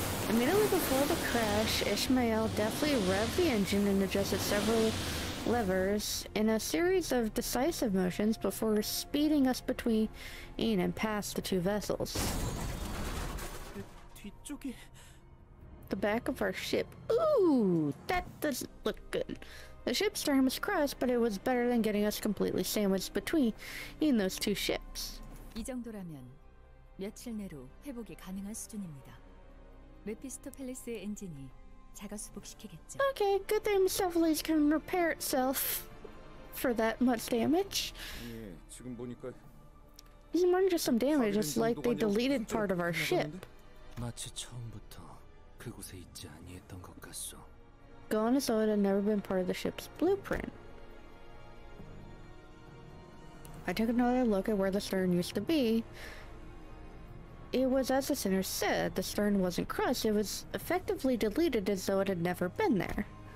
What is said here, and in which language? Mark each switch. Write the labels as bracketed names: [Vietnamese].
[English] Immediately before the crash, Ishmael deftly revved the engine and adjusted several levers in a series of decisive motions before speeding us between in and past the two vessels. The back of our ship. Ooh, that doesn't look good. The ship's stern was crushed, but it was better than getting us completely sandwiched between in those two ships. [Korean] 이 정도라면 며칠 내로 회복이 가능한 수준입니다. 메피스토 팰리스의 엔진이 자가 수복시키겠죠. [English] Okay, good thing Mesopheles can repair itself for that much damage. [Korean] 예, 지금 보니까 [English] it's more than just some damage. It's like they deleted part of our ship. [Korean] 마치 처음부터 그곳에 있지 아니했던 것 같소. [English] Gone as though it had never been part of the ship's blueprint. I took another look at where the stern used to be. It was as the center said, the stern wasn't crushed, it was effectively deleted as though it had never been there.